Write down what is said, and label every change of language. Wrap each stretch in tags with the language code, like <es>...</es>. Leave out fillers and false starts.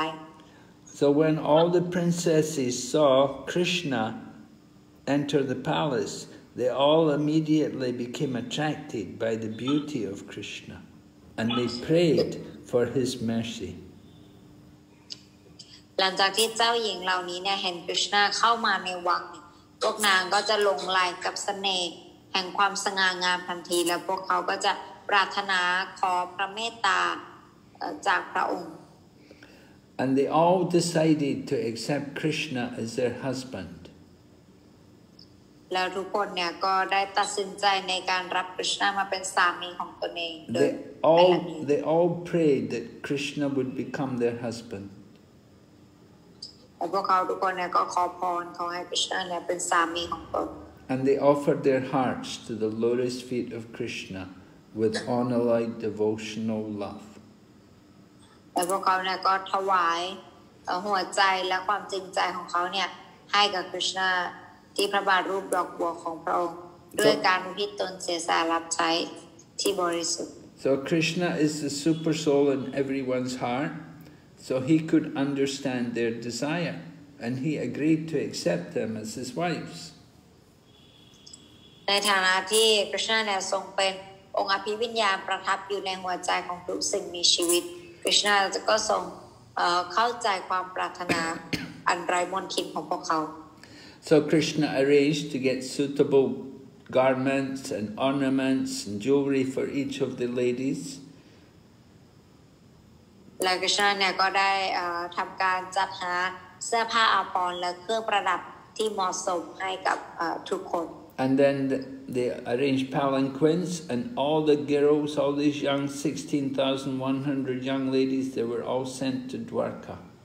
<en>So when all the princesses saw Krishna enter the palace they all immediately became attracted by the beauty of Krishna and they prayed for his mercy</en> <th>หลังจากที่เจ้าหญิงเหล่านี้เนี่ยเห็นคริชนาเข้ามาในวังพวกนางก็จะหลงใหลกับเสน่ห์แห่งความสง่างามทันทีแล้วพวกเขาก็จะปรารถนาขอพระเมตตาจากพระองค์</th> <en>And they all decided to accept Krishna as their husband</en> <th>แล้วทุกคนเนี่ยก็ได้ตัดสินใจในการรับคริชนามาเป็นสามีของตนเอง</th> <en>They all prayed that Krishna would become their husband</en> <th>พวกเขาทุกคนเนี่ยก็ขอพรขอให้คริชนาเนี่ยเป็นสามีของตน</th> <en>And they offered their hearts to the lotus feet of KrishnaWith unalloyed devotional love.</en> <th>แล้วพวกเขาเนี่ยก็ถวายหัวใจและความจริงใจของเขาเนี่ยให้กับคริชนาที่พระบาทรูปดอกบัวของพระองค์ด้วยการอุทิศตนเสียสละรับใช้ที่บริสุทธิ์</th> <en>So Krishna is the super soul in everyone's heart, so he could understand their desire, and he agreed to accept them as his wives.</en> <th>ในฐานะที่คริชนาเนี่ยทรงเป็นองค์อภิวิญญาณประทับอยู่ในหัวใจของทุกสิ่งมีชีวิตคริชนาจะก็ทรงเข้าใจความปรารถนาอันไร้มนทินของพวกเขา</th> <en>So Krishna arranged to get suitable garments and ornaments and jewelry for each of the ladies</en> <th>และคริชนาเนี่ยก็ได้ทำการจัดหาเสื้อผ้าอาภรณ์และเครื่องประดับที่เหมาะสมให้กับทุกคน</th> <en>And then they arranged palanquins and all the girls, all these young 16,100 young ladies, they were all sent to Dwarka.</en>